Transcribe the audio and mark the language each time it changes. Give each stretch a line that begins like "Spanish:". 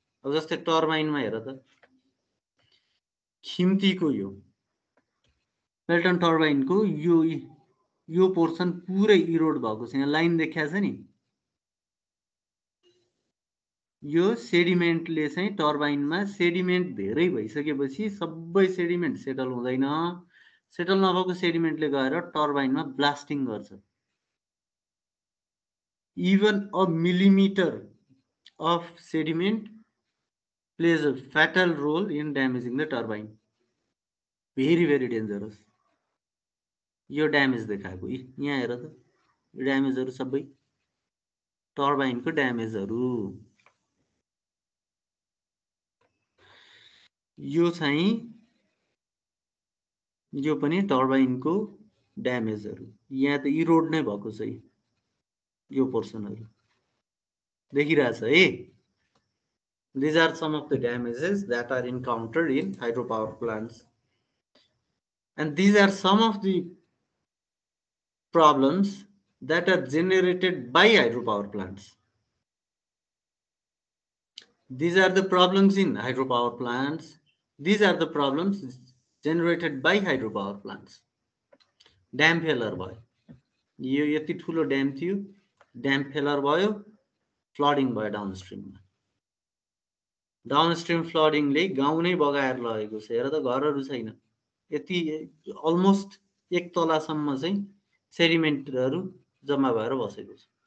Nepali: अब जस्तै टर्माइनमा हेर त, खिम्तीको यो पेल्टन टर्माइनको यो यो पोर्सन पुरै इरोड भएको छ, यहाँ लाइन देखाएको छ नि, यो सेडिमेन्टले चाहिँ टर्माइनमा सेडिमेन्ट धेरै भइसकेपछि सबै सेडिमेन्ट सेटल हुँदैन, सेटल नभएको सेडिमेन्टले गएर टर्माइनमा ब्लास्टिङ गर्छ.
English: Even a millimeter of sediment plays a fatal role in damaging the turbine. Very, very dangerous.
Nepali: Yo damage dekhaeko, yahan hera ta, damage haru sabai turbine ko damage haru. Yo chai, yo pani turbine ko damage haru. Yahan ta erode nai bhako chha. यो पोर्सनहरू देखिरहेछ है.
English: These are some of the damages that are encountered in hydro power plants, and these are some of the problems that are generated by hydro power plants. These are the problems in hydro power plants, these are the problems generated by hydro power plants.
Nepali: Dam failure भयो, यो यति ठुलो dam थियो, dam failure भयो, flooding भयो डाउनस्ट्रिममा. डाउनस्ट्रिम फ्लडिङले गाउँ नै बगाएर लगेको छ, हेर त घरहरू छैन, यति अलमोस्ट एक तलासम्म चाहिँ सेडिमेन्टहरू जम्मा भएर बसेको छ.